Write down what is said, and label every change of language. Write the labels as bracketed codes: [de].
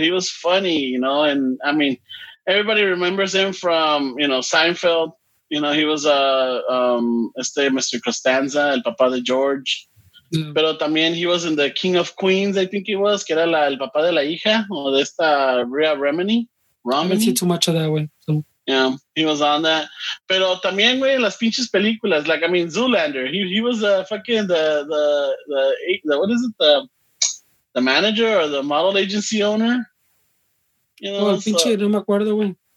[en] He was funny, you know. And I mean, everybody remembers him from, you know, Seinfeld. You know, he was Mr. Costanza, [es] el papá de George. Pero también [en] he was in the King of Queens, I think he was, [es] que era el papá de la hija, o de esta Rhea Remini. [en] I didn't see too much of that, güey. So. Yeah, he was on that. [es] Pero también, güey, las pinches películas, [en] like, I mean, Zoolander, he was fucking the what is it, the manager or the model agency owner? You know, oh, [es] pinche, so, no me acuerdo, güey.